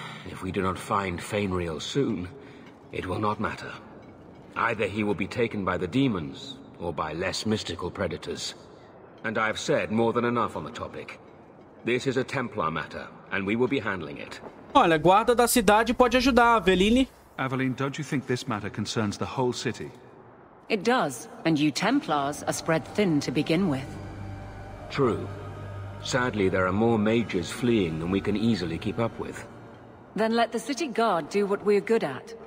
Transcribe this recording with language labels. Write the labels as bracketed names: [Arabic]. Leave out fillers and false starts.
[English] If we do not find feynriel soon, it will not matter. Either he will be taken by the demons, or by less mystical predators. And I have said more than enough on the topic. This is a Templar matter, and we will be handling it. [Portuguese] Olha, a guarda da cidade pode ajudar, Aveline. [English] Aveline, don't you think this matter concerns the whole city? It does, and you Templars are spread thin to begin with. True. Sadly, there are more mages fleeing than we can easily keep up with. Then let the city guard do what we're good at.